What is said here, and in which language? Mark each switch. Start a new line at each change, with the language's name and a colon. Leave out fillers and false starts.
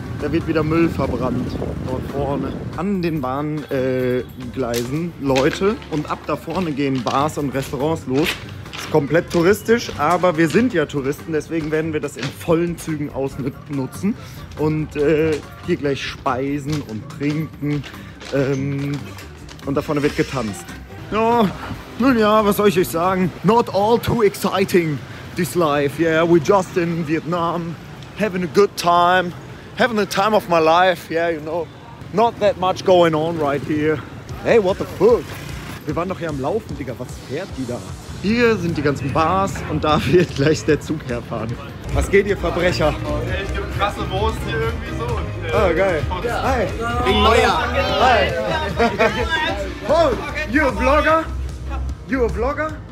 German: Da wird wieder Müll verbrannt. Dort vorne. An den Bahngleisen Leute und ab da vorne gehen Bars und Restaurants los. Komplett touristisch, aber wir sind ja Touristen, deswegen werden wir das in vollen Zügen ausnutzen und hier gleich speisen und trinken und da vorne wird getanzt. Ja, nun ja, was soll ich euch sagen?
English: Not all too exciting, this life. Yeah, we're just in Vietnam, having a good time, having the time of my life. Yeah, you know, not that much going on right here. Hey, what the fuck?
German: Wir waren doch hier am Laufen, Digga, was fährt die da? Hier sind die ganzen Bars und da wird gleich der Zug herfahren. Was geht, ihr Verbrecher? Ich hab krasse Wurst hier irgendwie so. Und, oh, geil. Ja. Hi. Wegen Neujahr.
English: Hi. Oh, you a Vlogger? You a Vlogger?